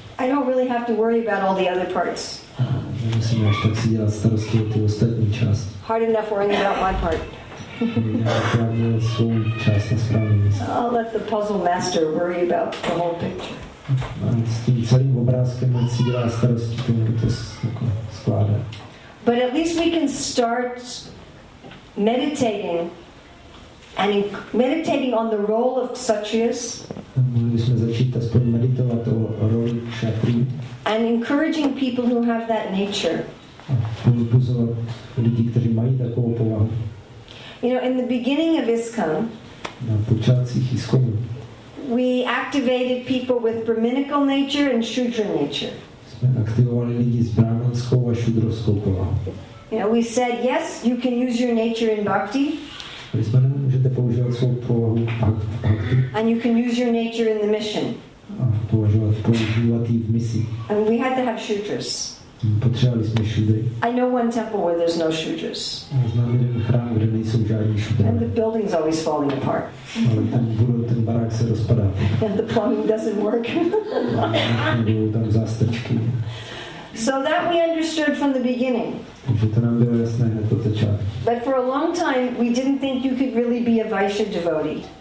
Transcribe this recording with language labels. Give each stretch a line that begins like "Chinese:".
English: I don't really have to worry about all the other parts.
Czech: Nemusím až tak si dělat starosti o ty ostatní část.
English: Hard enough worrying about my part. I'll let the puzzle master worry about the whole picture.
Czech: S tím celým obrázkem on si dělá starosti, tomu to skládá.
English: But at least we can start meditating and meditating on the role of kshatriyas.
Czech: Mohli jsme začít aspoň meditovat o roli kshatriy.
English: And encouraging people who have that nature.
Czech: Pozbuzovat lidi, kteří mají takovou povahu.
English: You know, in the beginning of ISKCON,
Czech: na počátcích ISKCONu,
English: we activated people with brahminical nature and shudra nature.
Czech: Jsme aktivovali lidi s brahmanskou a šudrovskou povahu.
English: You know, we said, yes, you can use your nature in bhakti.
Czech: Můžete používat svou povahu v bhakti.
English: And you can use your nature in the mission.
Czech: A používat ji v misi.
English: And we had to have shudras.
Czech: Potřebovali jsme šudry.
English: I know one temple where there's no shudras.
Czech: Znám jeden chrám, kde nejsou žádní šudry.
English: And the building's always falling apart.
Czech: Ten barák se rozpadá.
English: And the plumbing doesn't work.
Czech: Nebudou tam zástrčky.
English: So that we understood from the beginning.
Czech: Takže to nám bylo jasné hned od začátku.
English: But for a long time, we didn't think you could really be a Vaishya devotee.